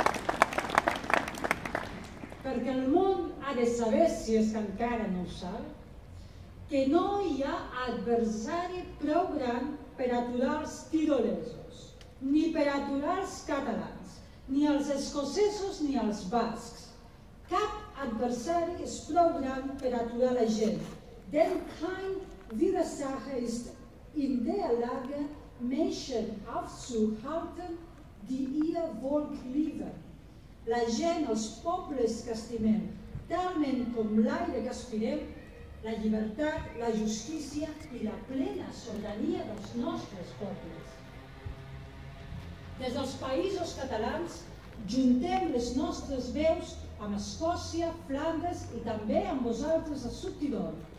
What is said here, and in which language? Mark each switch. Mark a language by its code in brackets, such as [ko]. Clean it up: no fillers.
[ca] Perquè el món ha de saber, si és que encara no ho sap, que no hi ha adversari prou gran per aturar els tirolesos, ni per aturar els catalans, ni els escocesos ni els bascs. Cap adversari és prou gran per aturar la gent, [de] denn kein Widersacher ist in der Lage, Menschen aufzuhalten, die ihr Volk lieben. [ca] La gent, els pobles que estimem, talment com l'aire que aspirem, la llibertat, la justícia i la plena sobirania dels nostres pobles. Des dels països catalans, juntem les nostres veus amb Escòcia, Flandes i també amb vosaltres a Subtidor.